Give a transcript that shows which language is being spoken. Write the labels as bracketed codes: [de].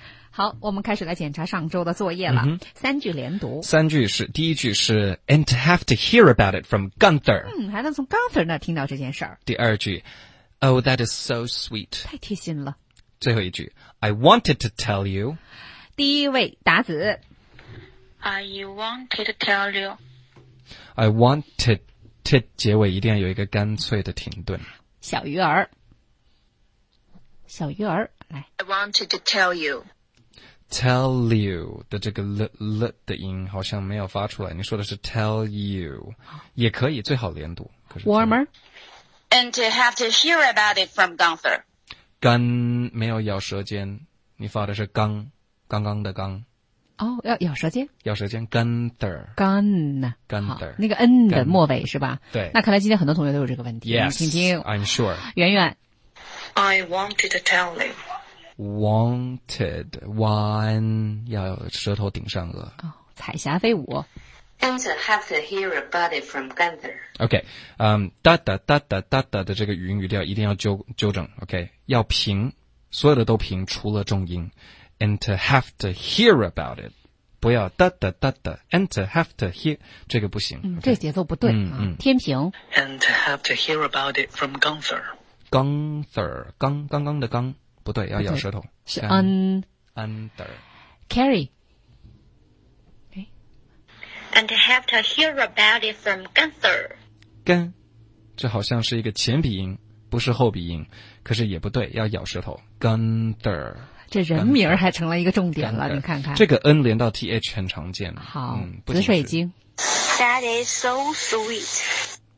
[zh] 好，我们开始来检查上周的作业了。 Mm-hmm. 三句连读。三句是第一句是 [en] and to have to hear about it from Gunther. [zh] 嗯，还能从 Gunther 那听到这件事儿。第二句 [en] ，Oh, that is so sweet. [zh] 太贴心了。最后一句 [en] ，I wanted to tell you. [zh] 第一位达子。 [en] I wanted to tell you. I wanted to [zh] 结尾一定要有一个干脆的停顿。小鱼儿，小鱼儿，来。 [en] I wanted to tell you. Tell you [zh] 的这个 l 的音好像没有发出来。你说的是 [en] tell you， [zh] 也可以，最好连读。可是 [en] warmer. And to have to hear about it from Gunther. [zh] 刚没有咬舌尖，你发的是刚，刚刚的刚。哦，咬舌尖，咬舌尖 ，gunther， gunther， 那个 n 的末尾是吧？对。那看来今天很多同学都有这个问题， [en] yes， [zh] 请听。 [en] I'm sure。 [zh] 圆圆 [en] ，I wanted to tell you。 Wanted， one [zh] 要舌头顶上颚。哦，彩霞飞舞。 [en] Have to hear about it from Gunther. [zh] Okay, da da da da da 的这个语音语调一定要纠正 Okay, 要平，所有的都平，除了重音。 [en] And to have to hear about it, [zh] 不要 [en] da da da da. And to have to hear [zh] 这个不行，嗯，这节奏不对，天平。 [en] And to have to hear about it from Gunther. [zh] Gunther, 刚刚的刚不对，要咬舌头。是 [en] under. Carry. And to have to hear about it from Gunther. [zh] Gun, 这好像是一个前鼻音，不是后鼻音，可是也不对，要咬舌头。 [en] Gunther， [zh] 这人名还成了一个重点了， [en] Gunther， [zh] 你看看。这个 N 连到 TH 很常见。好，紫水晶。 [en] That is so sweet.